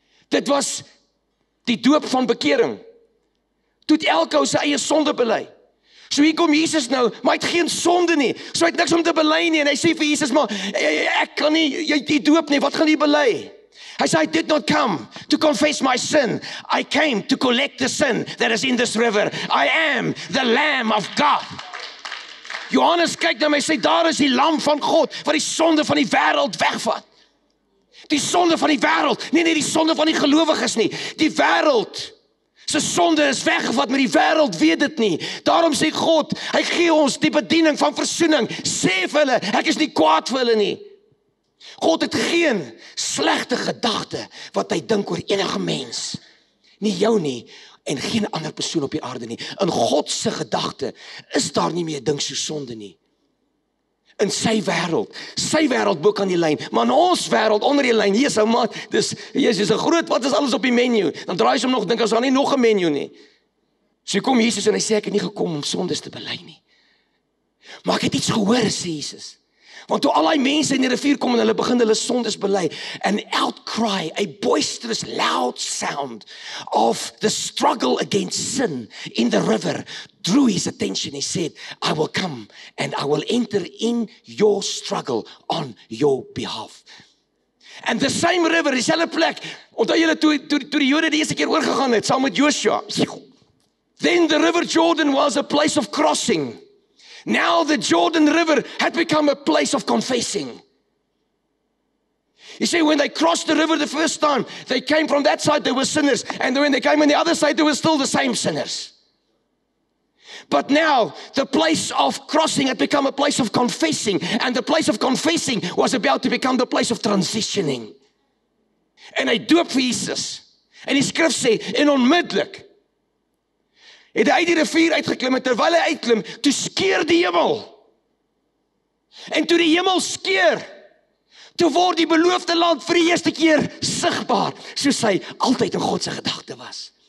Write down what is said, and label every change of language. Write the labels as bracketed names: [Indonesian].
[Afrikaans] Dit was die doop van bekering. Toe elke ou sy eie sonde bely. So hier kom Jesus nou, maar hy het geen sonde nie. So hy het niks om te belei nie. En hy sê vir Jesus, maar ek kan nie, jy die doop nie, wat gaan jy belei? Hy sê, [English] I did not come to confess my sin. I came to collect the sin that is in this river. I am the Lamb of God. [Afrikaans] Johannes kyk na my, sê, daar is die Lam van God, wat die sonde van die wêreld wegvat. Die sonde van die wêreld, nie die sonde van die gelowiges nie. Die wêreld, sy sonde is weggevat, maar die wêreld weet dit nie. Daarom sê God, hy gee ons die bediening van versoening. Sê vir hulle, ek is nie kwaad vir hulle nie. God het geen slegte gedagte wat hy dink oor enige mens. Nie jou nie, en geen ander persoon op die aarde nie. In God se gedagte is daar nie meer ding so sonde nie. In sy wêreld bo kan die lyn, maar in ons wêreld onder die lyn, Jesus, maat, dis, Jesus is 'n groot, wat is alles op die menu? Dan draai jy hom nog, dink, as daar nie nog 'n menu nie. So kom Jesus en hy sê, ek het nie gekom om sondes te bely nie. Maar ek het iets gehoor, sê Jesus. Want toe al die mense in die rivier kom en hulle begin hulle sondes bely, [English] an outcry, a boisterous loud sound of the struggle against sin in the river, drew his attention. He said, I will come and I will enter in your struggle on your behalf. And the same river, [Afrikaans] dieselfde plek, onthou julle toe die Jode die eerste keer oorgegaan het, saam met Joshua. [English] Then the river Jordan was a place of crossing. Now the Jordan River had become a place of confessing. You see, when they crossed the river the first time, they came from that side, they were sinners. And when they came on the other side, they were still the same sinners. But now, the place of crossing had become a place of confessing. And the place of confessing was about to become the place of transitioning. [Afrikaans] En hy doop vir Jesus. En die skrif sê, en onmiddellik, het hy die rivier uitgeklim, en terwyl hy uitklim, toe skeer die hemel. En toe die hemel skeer, toe word die beloofde land vir die eerste keer sigbaar, soos hy altyd in Godse gedagte was.